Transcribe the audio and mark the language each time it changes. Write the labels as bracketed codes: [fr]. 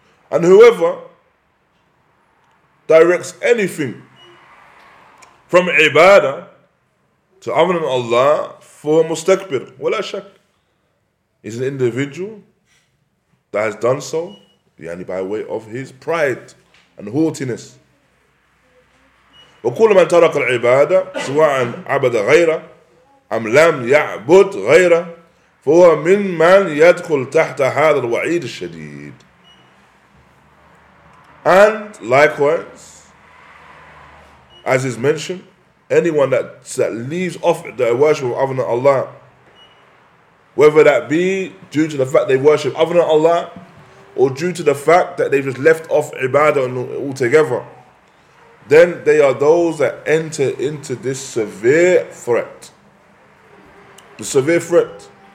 [en] And whoever directs anything from ibadah to other than Allah for mustakbir, [ar] wala shak, [en] is an individual that has done so by way of his pride and haughtiness. [ar] وكل من ترك العبادة سواء عبد غيره أم لم يعبد غيره فهو من من يدخل تحت هذا الوعيد الشديد. [en] And likewise, as is mentioned, anyone that leaves off the worship of other than Allah, whether that be due to the fact they worship other than Allah, or due to the fact that they've just left off ibadah altogether, then they are those that enter into this severe threat. The severe threat.